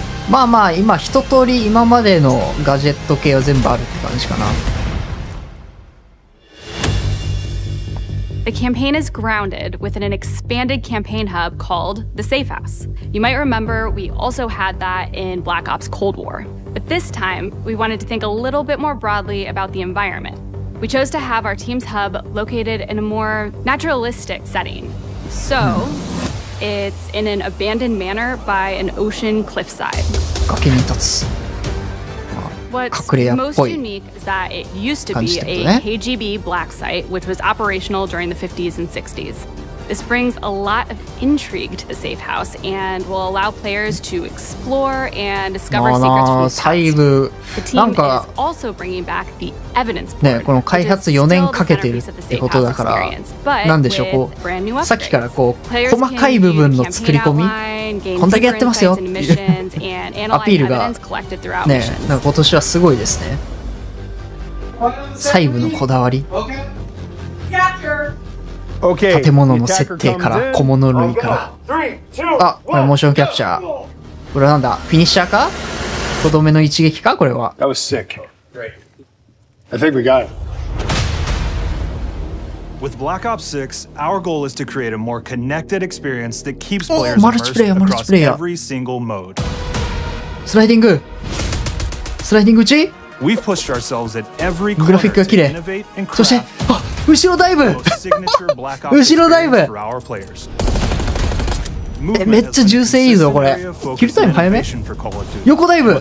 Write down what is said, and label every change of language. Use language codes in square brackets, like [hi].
[ja] まあまあ今一通り今までのガジェット系は全部あるって感じかな。 [en] The campaign is grounded within an expanded campaign hub called the Safe House. You might remember we also had that in Black Ops Cold War. But this time we wanted to think a little bit more broadly about the environment. We chose to have our team's hub located in a more naturalistic setting. So. It's in an abandoned manor by an ocean cliffside. [ja] 崖に立つ。隠れ家っぽい。 [en] KGB black site, which was operational during the 50s and 60s. This brings a lot of intrigue to the safe house and will allow players to explore and discover secrets from the past. The team is also bringing back the evidence board. [ja] ね、この開発4年かけてるってことだから、なんでしょう、こう、さっきからこう、細かい部分の作り込み、こんだけやってますよっていうアピールが、ね、なんか今年はすごいですね。細部のこだわり。 [en] Okay, [ja] 建物の設定から小物類から 3、2、1、あ、これモーションキャプチャー、これなんだ、フィニッシャーか、とどめの一撃か、これは。 [en] That was sick. Great. I think we got it. With Black Ops 6, our goal is to create a more connected experience that keeps players immersed across every single mode. [ja] スライディング、スライディング打ち。 [en] We've pushed ourselves at every corner to innovate and craft. [ja] そして、あ、後ろダイブ後ろダイブえ、めっちゃ銃声いいぞこれ。キルタイム早め。横ダイブ。